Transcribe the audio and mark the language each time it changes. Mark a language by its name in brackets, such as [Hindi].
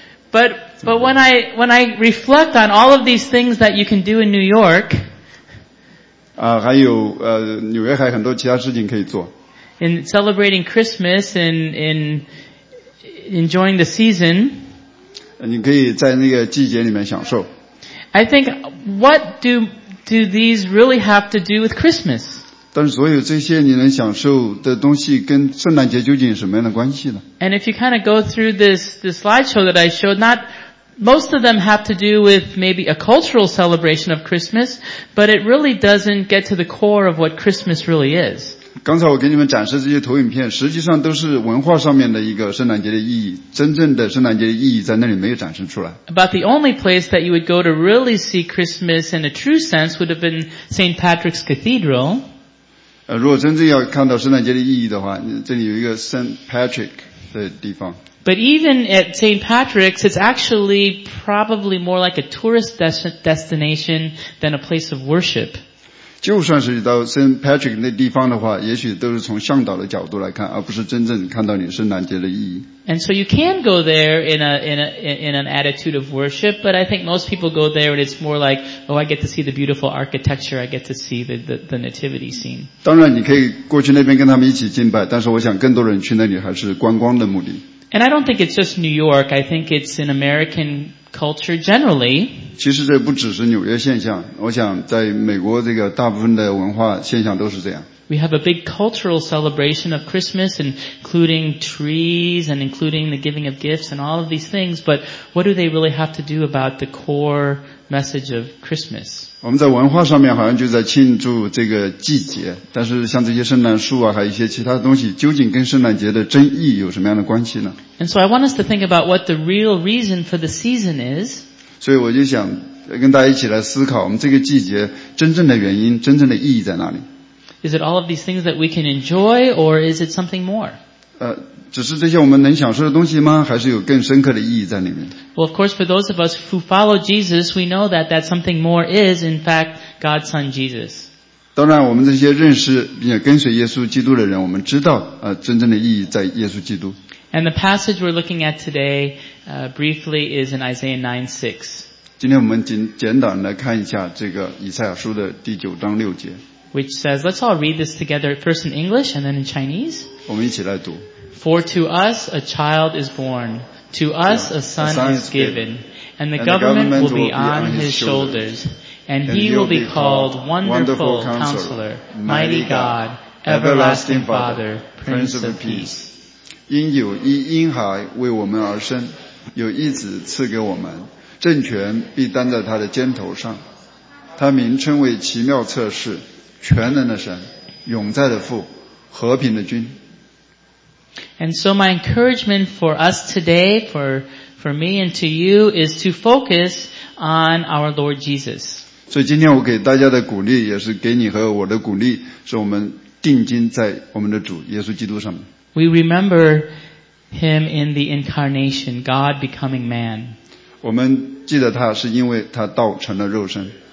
[English] But when I reflect on all of these things that you can do in New York. [Chinese] 还有纽约还有很多其他事情可以做。 [English] In celebrating Christmas and in enjoying the season. [Chinese] 你可以在那个季节里面享受。 [English] I think what do these really have to do with Christmas? [Chinese] 但是所有这些你能享受的东西跟圣诞节究竟有什么样的关系呢? [English] And if you kind of go through this slideshow that I showed, not most of them have to do with maybe a cultural celebration of Christmas, but it really doesn't get to the core of what Christmas really is. [Chinese] 刚才我给你们展示这些投影片，实际上都是文化上面的一个圣诞节的意义，真正的圣诞节的意义在那里没有展示出来。 [English] About the only place that you would go to really see Christmas in a true sense would have been St. Patrick's Cathedral. [Chinese] 如果真正要看到圣诞节的意义的话，这里有一个 St. Patrick 的地方。 [English] But even at St. Patrick's, it's actually probably more like a tourist destination than a place of worship. [Chinese] 就算是到 St. Patrick 那地方的话，也许都是从向导的角度来看，而不是真正看到你圣诞节的意义。 [English] And so you can go there in an attitude of worship, but I think most people go there and it's more like, oh, I get to see the beautiful architecture, I get to see the nativity scene. [Chinese] 当然你可以过去那边跟他们一起敬拜，但是我想更多人去那里还是观光的目的。 [English] And I don't think it's just New York, I think it's in American culture generally. [Chinese] 其实这不只是纽约现象，我想在美国这个大部分的文化现象都是这样。 [English] We have a big cultural celebration of Christmas, including trees and including the giving of gifts and all of these things, but what do they really have to do about the core message of Christmas? [Chinese] 我们在文化上面好像就在庆祝这个季节，但是像这些圣诞树啊，还有一些其他的东西，究竟跟圣诞节的真意有什么样的关系呢？ [English] And so I want us to think about what the real reason for the season is. [Chinese] 所以我就想跟大家一起来思考，我们这个季节真正的原因，真正的意义在哪里？ [English] Is it all of these things that we can enjoy, or is it something more? [Chinese] 只是这些我们能享受的东西吗？还是有更深刻的意义在里面？ [English] Well, of course, for those of us who follow Jesus, we know that something more is, in fact, God's Son Jesus. [Chinese] 当然，我们这些认识并且跟随耶稣基督的人，我们知道，真正的意义在耶稣基督。 [English] And the passage we're looking at today, briefly, is in Isaiah 9:6. [Chinese] 今天我们简短来看一下这个以赛亚书的第九章六节。 [English] Which says, let's all read this together, first in English and then in Chinese. [Chinese] 我们一起来读。 [English] For to us a child is born, to us a son is given, and the government will be on his shoulders, and he will be called Wonderful Counselor, Mighty God, Everlasting Father, Prince of Peace. [Chinese] 因有一婴孩为我们而生，有一子赐给我们，政权必担在他的肩头上，他名称为奇妙策士。全能的神，永在的父，和平的君。 [English] And so my encouragement for us today, for me and to you, is to focus on our Lord Jesus. [Chinese] 所以今天我给大家的鼓励，也是给你和我的鼓励，是我们定睛在我们的主耶稣基督上面。 [English] We remember him in the incarnation, God becoming man. [Chinese] 我们记得他是因为他道成了肉身。